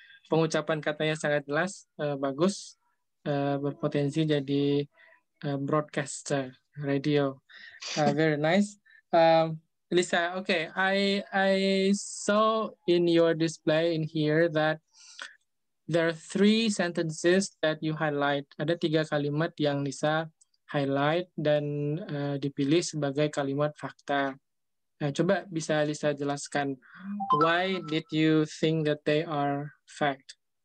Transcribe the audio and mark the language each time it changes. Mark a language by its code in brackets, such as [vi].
[id] Pengucapan katanya sangat jelas, bagus, berpotensi jadi broadcaster radio. [en] Very nice. Lisa, I saw in your display in here that there are three sentences that you highlight. [id] Ada tiga kalimat yang Lisa highlight dan dipilih sebagai kalimat fakta. Nah, coba bisa Lisa jelaskan, [en] why did you think that they are fact?